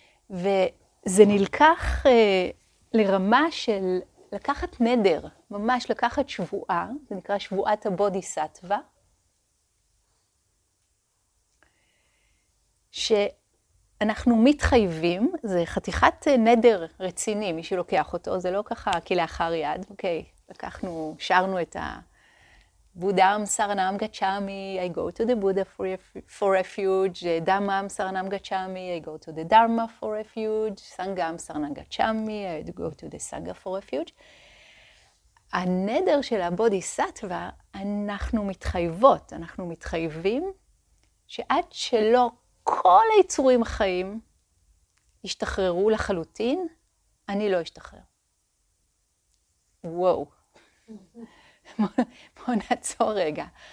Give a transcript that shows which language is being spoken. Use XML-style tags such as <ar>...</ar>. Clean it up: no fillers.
<he>וזה נלקח לרמה של לקחת נדר, ממש לקחת שבועה, זה נקרא שבועת הבודיסטווה, שאנחנו מתחייבים, זה חתיכת נדר רציני, מי שלוקח אותו, זה לא ככה כלאחר יד, אוקיי, לקחנו, שרנו את ה...</he> <pi>בודהם סרנם גצ'אמי,</pi> <en>I go to the Buddha for refuge.</en> <pi>דמם סרנם גצ'אמי,</pi> <en>I go to the Dharma for refuge.</en> <pi>סנגם סרנם גצ'אמי,</pi> <en>I go to the Sangha for refuge.</en> <he>הנדר של הבודיסטווה, אנחנו מתחייבות, אנחנו מתחייבים שעד שלא כל היצורים החיים ישתחררו לחלוטין, אני לא אשתחרר. וואו. בואו נעצור רגע.</he>